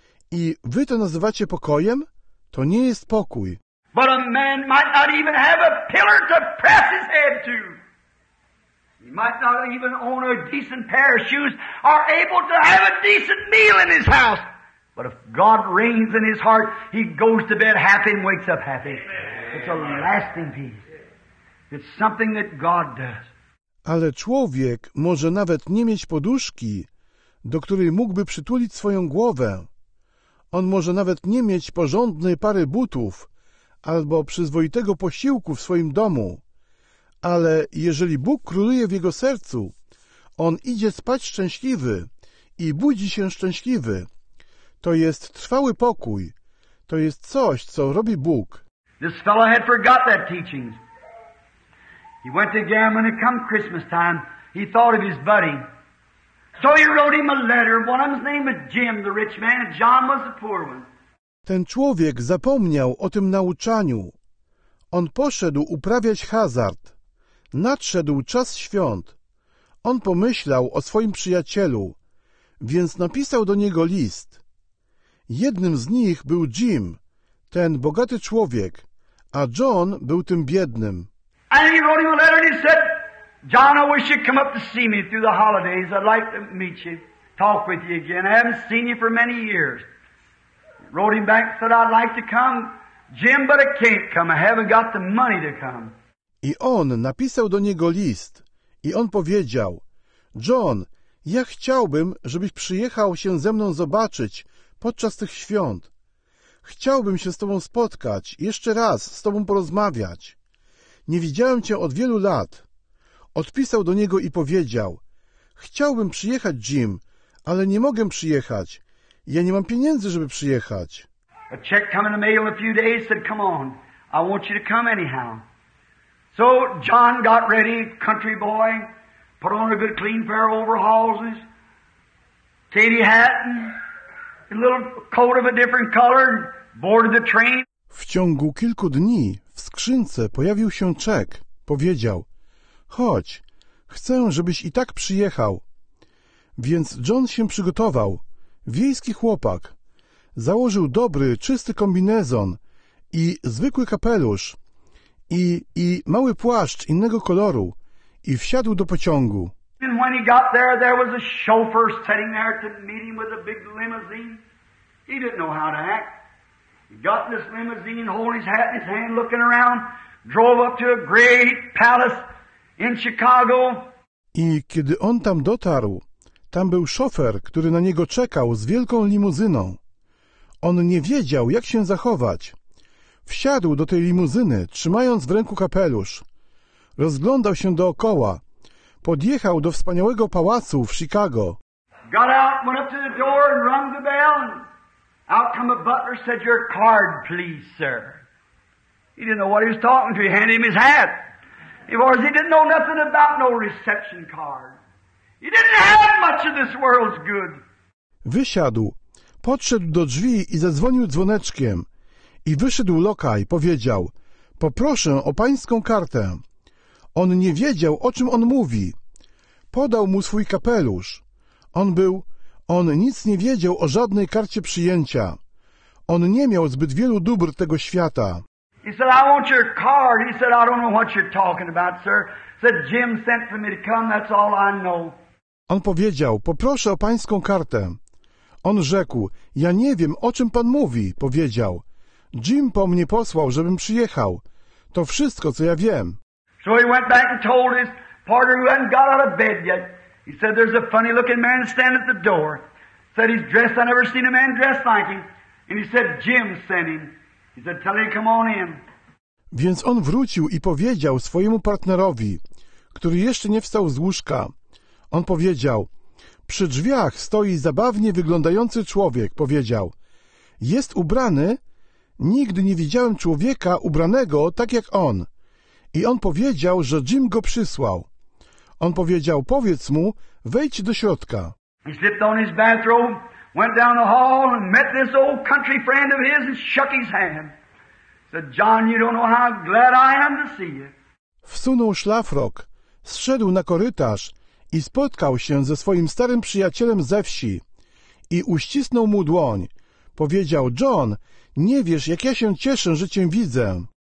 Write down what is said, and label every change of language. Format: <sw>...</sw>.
<pl>I wy to nazywacie pokojem? To nie jest pokój.</pl> <en>But a man might not even have a pillar to press his head to. He might not even own a decent pair of shoes or able to have a decent meal in his house. But if God reigns in his heart, he goes to bed happy and wakes up happy. It's a lasting peace. It's something that God does.</en> <pl>Ale człowiek może nawet nie mieć poduszki, do której mógłby przytulić swoją głowę. On może nawet nie mieć porządnej pary butów albo przyzwoitego posiłku w swoim domu. Ale jeżeli Bóg króluje w jego sercu, on idzie spać szczęśliwy i budzi się szczęśliwy. To jest trwały pokój. To jest coś, co robi Bóg.</pl> <en>This fellow had forgot that teaching. He went to gambling and come Christmas time, he thought of his buddy. So he wrote him a letter. One of them's name was Jim, the rich man, and John was the poor one.</en> <pl>Ten człowiek zapomniał o tym nauczaniu. On poszedł uprawiać hazard. Nadszedł czas świąt. On pomyślał o swoim przyjacielu, więc napisał do niego list. Jednym z nich był Jim, ten bogaty człowiek, a John był tym biednym.</pl> <en>And he wrote him a letter and he said, John, I wish you'd come up to see me through the holidays. I'd like to meet you, talk with you again. I haven't seen you for many years. Wrote him back and said, I'd like to come, Jim, but I can't come. I haven't got the money to come.</en> <pl>I on napisał do niego list i on powiedział: John, ja chciałbym, żebyś przyjechał się ze mną zobaczyć podczas tych świąt. Chciałbym się z tobą spotkać, jeszcze raz z tobą porozmawiać. Nie widziałem cię od wielu lat. Odpisał do niego i powiedział: chciałbym przyjechać, Jim, ale nie mogę przyjechać. Ja nie mam pieniędzy, żeby przyjechać.</pl> <en>A check came in the mail a few days, said, come on, I want you to come anyhow. So John got ready, country boy, put on a good clean pair of overalls, his tidy hat, and a little coat of a different color, and boarded the train.</en> <pl>W ciągu kilku dni w skrzynce pojawił się czek. Powiedział: chodź, chcę, żebyś i tak przyjechał. Więc John się przygotował, wiejski chłopak. Założył dobry, czysty kombinezon i zwykły kapelusz. I mały płaszcz innego koloru i wsiadł do pociągu.</pl> <en>And when he got there, there was a chauffeur sitting there to meet him with a big limousine. He didn't know how to act. He got in this limousine, holding his hat in his hand, looking around, drove up to a great palace in Chicago.</en> <pl>I kiedy on tam dotarł, tam był szofer, który na niego czekał z wielką limuzyną. On nie wiedział, jak się zachować. Wsiadł do tej limuzyny, trzymając w ręku kapelusz. Rozglądał się dookoła. Podjechał do wspaniałego pałacu w Chicago.</pl> <en>Got out, went up to the door and rung the bell. And out come a butler, said, "Your card, please, sir." He didn't know what he was talking to. He handed him his hat. He didn't know nothing about no reception card. He didn't have much of this world's good.</en> <pl>Wysiadł, podszedł do drzwi i zadzwonił dzwoneczkiem. I wyszedł lokaj, powiedział, poproszę o pańską kartę. On nie wiedział, o czym on mówi. Podał mu swój kapelusz. On nic nie wiedział o żadnej karcie przyjęcia. On nie miał zbyt wielu dóbr tego świata.</pl> <en>He said, "I want your card." He said, "I don't know what you're talking about, sir." He said, "Jim sent for me to come, that's all I know."</en> <pl>On powiedział, poproszę o pańską kartę. On rzekł, ja nie wiem, o czym pan mówi, powiedział. Jim po mnie posłał, żebym przyjechał. To wszystko, co ja wiem.</pl> <en>So he went back and told his porter who hadn't got out of bed yet. He said, "There's a funny looking man standing at the door. Said he's dressed, I never seen a man dressed like him. And he said, Jim sent him. He said, tell him to come on in."</en> <pl>Więc on wrócił i powiedział swojemu partnerowi, który jeszcze nie wstał z łóżka. On powiedział, przy drzwiach stoi zabawnie wyglądający człowiek. Powiedział, jest ubrany? Nigdy nie widziałem człowieka ubranego tak jak on. I on powiedział, że Jim go przysłał. On powiedział, powiedz mu, wejdź do środka.</pl> <en>He slipped on his bathrobe, went down the hall and met this old country friend of his and shook his hand. Said, "John, you don't know how glad I am to see you."</en> <pl>Wsunął szlafrok, zszedł na korytarz i spotkał się ze swoim starym przyjacielem ze wsi i uścisnął mu dłoń. Powiedział, "John, nie wiesz, jak ja się cieszę, że cię widzę."</pl>